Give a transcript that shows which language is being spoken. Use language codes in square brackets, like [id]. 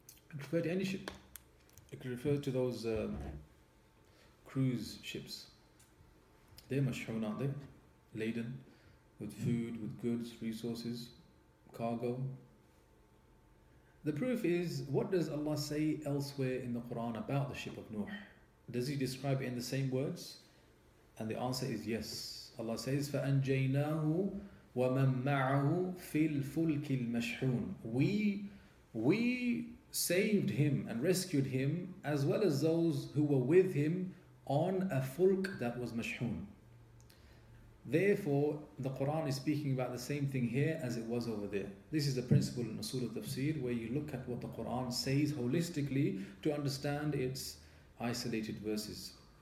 [en] It could refer to any ship. It could refer to those cruise ships. They're mashhoon, aren't they? Laden with food, with goods, resources, cargo. The proof is, what does Allah say elsewhere in the Quran about the ship of Nuh? Does He describe it in the same words? And the answer is yes. Allah says, [ar] فَأَنْجَيْنَاهُ وَمَن مَعَهُ فِي الْفُلْكِ الْمَشْحُونَ. [en] We saved him and rescued him, as well as those who were with him, on a fulk that was mashhoon. Therefore, the Quran is speaking about the same thing here as it was over there. This is the principle in Usul al-Tafsir, where you look at what the Quran says holistically to understand its isolated verses.